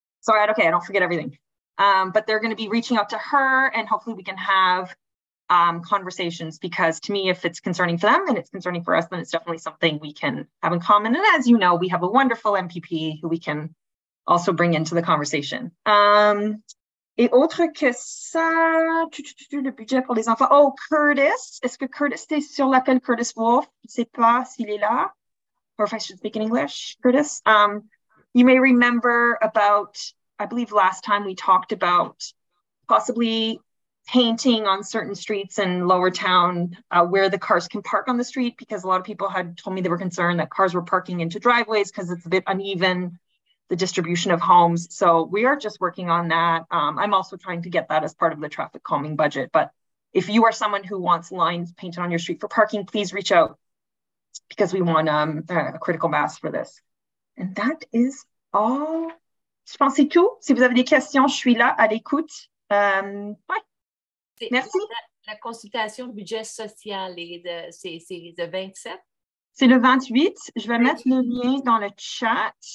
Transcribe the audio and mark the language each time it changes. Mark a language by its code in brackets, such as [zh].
[en] I don't forget everything. But they're going to be reaching out to her, and hopefully we can have conversations, because to me, if it's concerning for them and it's concerning for us, then it's definitely something we can have in common. And as you know, we have a wonderful MPP who we can also bring into the conversation. [fr] Et autre que ça, le budget pour les enfants. Oh, Curtis. Est-ce que Curtis est sur l'appel, Curtis Wolf? Je ne sais pas s'il est là. [en] Or if I should speak in English, Curtis. You may remember about, I believe last time we talked about possibly painting on certain streets in Lower Town where the cars can park on the street, because a lot of people had told me they were concerned that cars were parking into driveways because it's a bit uneven, the distribution of homes. So we are just working on that. I'm also trying to get that as part of the traffic calming budget. But if you are someone who wants lines painted on your street for parking, please reach out, because we want a critical mass for this. And that is all. [fr] Je pense c'est tout. Si vous avez des questions, je suis là à l'écoute. Bye. Merci. La consultation budget social est de, c'est le 27? C'est le 28. Je vais mettre le lien dans le chat.